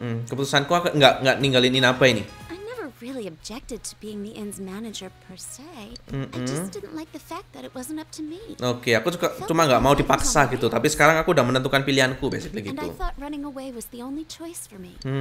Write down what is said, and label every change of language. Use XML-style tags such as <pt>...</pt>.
<id>Keputusanku enggak ninggalin Inaba ini.</id> <en>I never really objected to being the inn's manager per se. I just didn't like the fact that it wasn't up to me.</en> <id>Oke, aku juga cuma enggak mau dipaksa gitu, tapi sekarang aku udah menentukan pilihanku basically gitu.</id> <en>And I thought running away was the only choice for me.</en>